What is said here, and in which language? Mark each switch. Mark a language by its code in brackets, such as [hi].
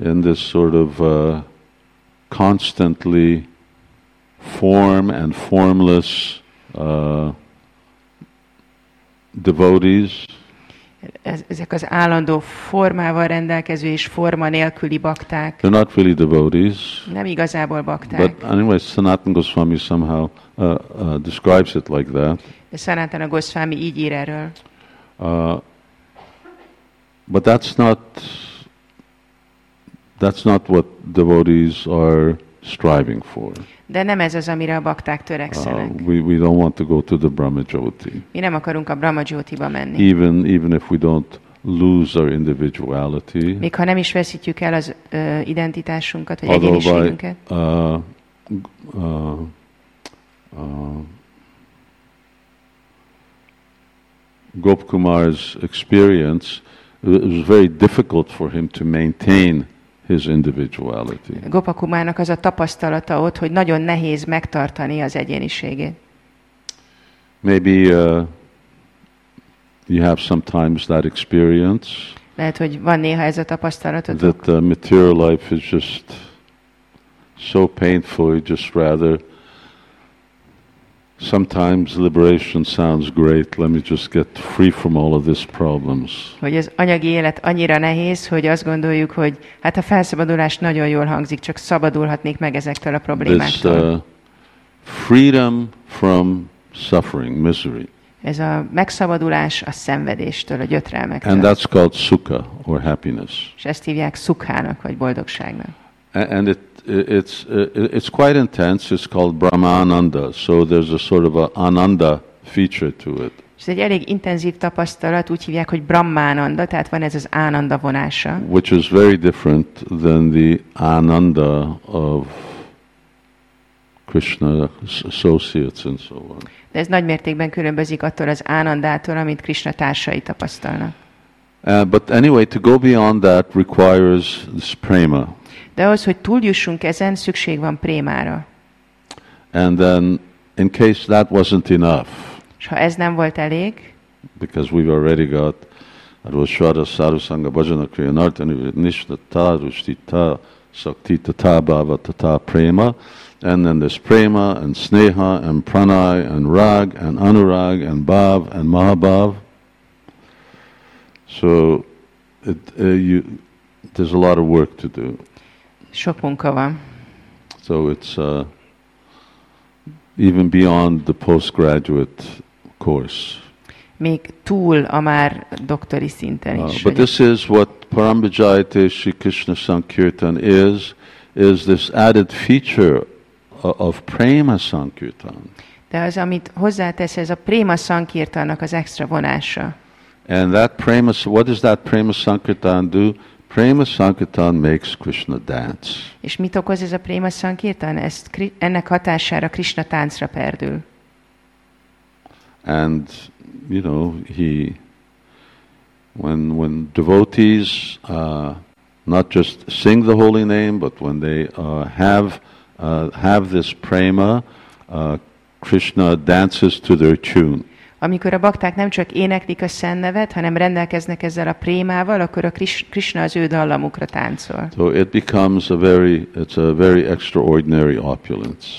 [en] In this sort of constantly form and formless devotees. [hu] Ezek az állandó formával rendelkező és forma nélküli bakták. [en] They're not really devotees. [hu] Nem igazából bakták. [en] But anyway, Sanatan Goswami somehow describes it like that. [hu] Sanatana Goswami így ír erről. [en] But that's not what devotees are striving for. [hu] De nem ez az, amire a bakták törekszenek. [en] We don't want to go to the Brahmajyoti. [hu] Mi nem akarunk a Brahmajyotiba menni. [en] Even if we don't lose our individuality. [hu] Még ha nem is veszítjük el az identitásunkat vagy egyéniségünket. [en] Gop Kumar's experience. It was very difficult for him to maintain his individuality. [hu] Gopakumának az a tapasztalata ott, hogy nagyon nehéz megtartani az egyéniségét. [en] Maybe you have sometimes that experience. [hu] Lehet, hogy van néha ez a tapasztalatod. [en] That the material life is just so painful, you just rather. Sometimes liberation sounds great. Let me just get free from all of these problems. [hu] Hogy az anyagi élet annyira nehéz, hogy azt gondoljuk, hogy hát a felszabadulás nagyon jól hangzik, csak szabadulhatnék meg ezektől a problémáktól. [en] This freedom from suffering, misery. [hu] Ez a megszabadulás a szenvedéstől, a gyötrelmektől. [en] And that's called sukha or happiness. [hu] És ezt hívják szukhának vagy boldogságnak. [en] And it's quite intense. It's called Brahmananda. So there's a sort of a ananda feature to it. [hu] Ez egy elég intenzív tapasztalat, úgy hívják, hogy Brahmananda, tehát van ez az ananda vonása. [en] Which is very different than the ananda of Krishna's associates and so on. [hu] De ez nagy mértékben különbözik attól az ánandától, amit Krishna társai tapasztalnak. [en] But anyway, to go beyond that requires this prema. [hu] De ahhoz, hogy túljussunk ezen, szükség van prémára. [en] And then, in case that wasn't enough. [hu] És ha ez nem volt elég. [sa] Because we've already got Arvashvara Sarusanga Bhajana Kriyanartani Vidnishta Tarushtita Saktita Tabhava Tata Prema. [en] And then there's Prema and Sneha and Pranay and Rag and Anurag and Bhav and Mahabhav. So there's a lot of work to do. [hu] Sok munka van. [en] So it's even beyond the postgraduate course. [hu] Még túl a már doktori szinten is. [en] But this is what Parambijayate Sri Krishna Sankirtan is this added feature of Prema Sankirtan. [hu] De az, amit hozzátesz, ez a Prema Sankirtannak az extra vonása. [en] And that Prema, what does that Prema Sankirtan do? Prema Sankirtan makes Krishna dance. [hu] És mit okoz ez a Prema Sankirtan? Ennek hatására Krishna táncra perdül. [en] And, you know, he when devotees not just sing the holy name, but when they have this prema, Krishna dances to their tune. [hu] Amikor a bakták nem csak éneklik a szent nevet, hanem rendelkeznek ezzel a prémával, akkor a Krishna az ő dallamukra táncol. [en] So it becomes it's a very extraordinary opulence.